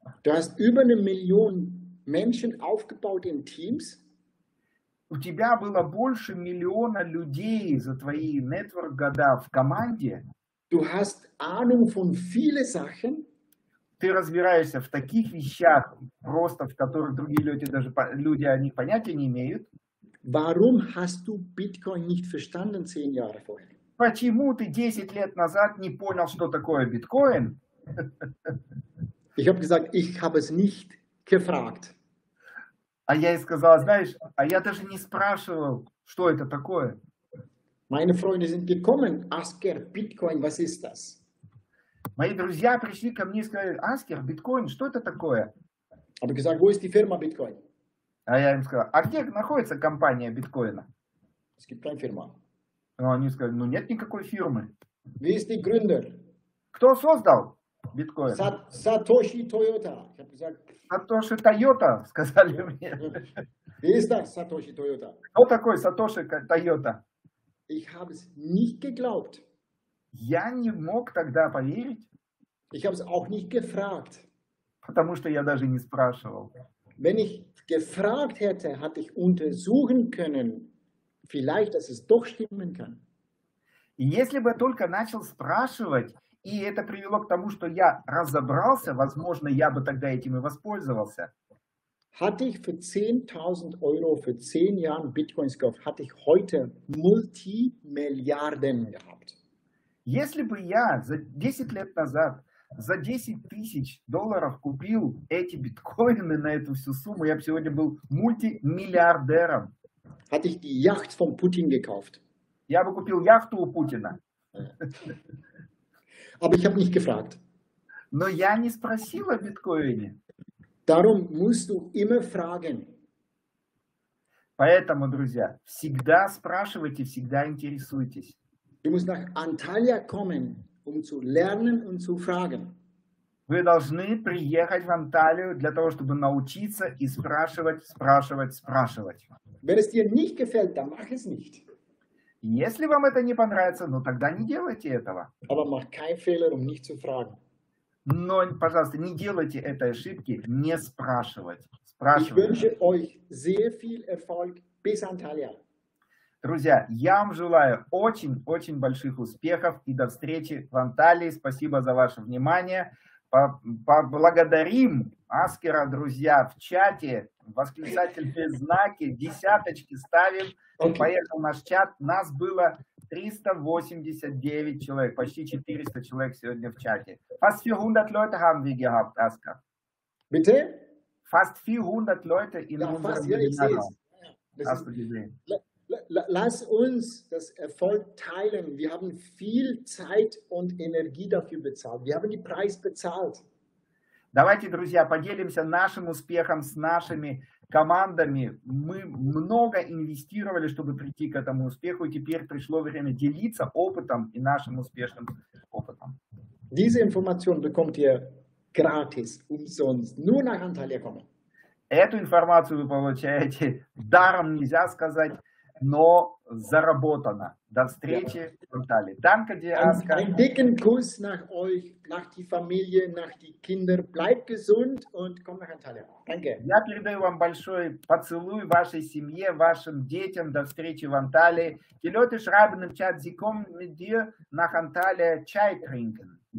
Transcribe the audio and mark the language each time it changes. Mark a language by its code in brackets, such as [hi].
[de] Du hast über 1 Million Menschen aufgebaut in Teams. [ru] У тебя было больше миллиона людей за твои нетворк-года в команде. [de] Du hast Ahnung von viele Sachen. [ru] Ты разбираешься в таких вещах, просто в которых другие люди, даже люди о них понятия не имеют. [de] Warum hast du Bitcoin nicht verstanden 10 Jahre vorher? [ru] Почему ты 10 лет назад не понял, что такое биткоин? [de] Ich habe gesagt, ich habe es nicht gefragt. [ru] А я и сказал, знаешь, а я даже не спрашивал, что это такое. [de] Meine Freunde sind gekommen, Asker, Bitcoin, was ist das? [ru] Мои друзья пришли ко мне и сказали, Аскер, биткоин, что это такое? [de] Aber gesagt, wo ist die Firma Bitcoin? [ru] А я им сказал, а где находится компания биткоина? [de] Es gibt keine Firma. [ru] Ну, они сказали, ну нет никакой фирмы. [de] Wie ist die Gründer? [ru] Кто создал биткоин? [de] Satoshi Toyota. [ru] Satoshi Toyota, сказали мне. [de] Wie ist das, Satoshi Toyota? [ru] Кто такой Satoshi Toyota? [de] Ich habe es nicht geglaubt. [ru] Я не мог тогда поверить. [de] Ich hab's auch nicht gefragt. [ru] Потому что я даже не спрашивал. [de] Wenn ich gefragt hätte, hätte ich untersuchen können, vielleicht, dass es doch stimmen kann. [ru] И если бы только начал спрашивать, и это привело к тому, что я разобрался, возможно, я бы тогда этим и воспользовался. [de] Hatte ich für 10.000 Euro für 10 Jahre Bitcoins gekauft, hatte ich heute Multimilliarden gehabt. [ru] Если бы я за 10 лет назад за 10 тысяч долларов купил эти биткоины на эту всю сумму, я бы сегодня был мультимиллиардером. [de] Hatte ich die Yacht von Putin gekauft. [ru] Я бы купил яхту у Путина. [de] Aber ich habe nicht gefragt. [ru] Но я не спросил о биткоине. [de] Darum musst du immer fragen. [ru] Поэтому, друзья, всегда спрашивайте, всегда интересуйтесь. [de] Du musst nach Antalya kommen, um zu lernen und zu fragen. [ru] Вы должны приехать в Анталию для того, чтобы научиться и спрашивать, спрашивать, спрашивать. [de] Wenn es dir nicht gefällt, dann mach es nicht. [ru] Если вам это не понравится, ну тогда не делайте этого. [de] Aber mach keinen Fehler, um nicht zu fragen. [ru] Но, пожалуйста, не делайте этой ошибки, не спрашивать. Спрашивайте. [de] Ich wünsche euch sehr viel Erfolg bis Antalya. [ru] Друзья, я вам желаю очень-очень больших успехов и до встречи в Анталии. Спасибо за ваше внимание. Поблагодарим Аскера, друзья, в чате. Восклицательные знаки, десяточки ставим. [en] Okay. [ru] Поехал наш чат. Нас было 389 человек, почти 400 человек сегодня в чате. [de] Fast 400 Leute haben wir gehabt, Аскер. Bitte? Fast 400 Leute in unserem Webinar. Hast du gesehen? Lass uns das Erfolg teilen. Wir haben viel Zeit und Energie dafür bezahlt. Wir haben den Preis bezahlt. [ru] Давайте, друзья, поделимся нашим успехом с нашими командами. Мы много инвестировали, чтобы прийти к этому успеху. И теперь пришло время делиться опытом и нашим успешным опытом. [de] Diese Information bekommt ihr gratis, umsonst, nur nach Antalya kommen. [ru] Эту информацию вы получаете даром, нельзя сказать. Но заработано. До встречи в Анталии. [de] Danke dir, Aska. Ein dicken Kuss nach euch, nach die Familie, nach die Kinder. Bleibt gesund und komm nach Antalya. Danke. [ru] Я передаю вам большой поцелуй вашей семье, вашим детям. До встречи в Анталии. [de] Die Leute schreiben im Chat, sie kommen mit dir nach Antalya Chai trinken.